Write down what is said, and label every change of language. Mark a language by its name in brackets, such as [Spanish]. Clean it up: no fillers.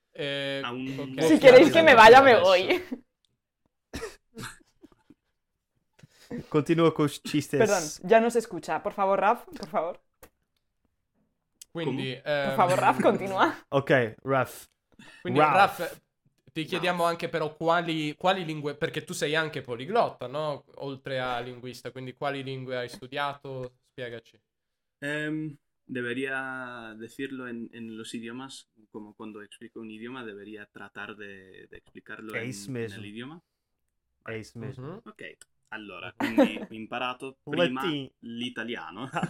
[Spanish] Si queréis que me vaya, me voy. Continúo con chistes. Perdón, ya no se escucha. Por favor, Raph, por favor. [Italian] Quindi, [Spanish] Por favor, Raph, continúa. [Italian] Ok, Raph. Quindi, Raph, ti chiediamo anche però quali lingue... Perché tu sei anche poliglotta, no? Oltre a linguista. Quindi quali lingue hai studiato? Spiegaci. [Spanish] Debería decirlo en los idiomas, como cuando explico un idioma, debería tratar de explicarlo en el idioma. Es mismo. [Italian] Ok, allora, quindi ho imparato prima l'italiano.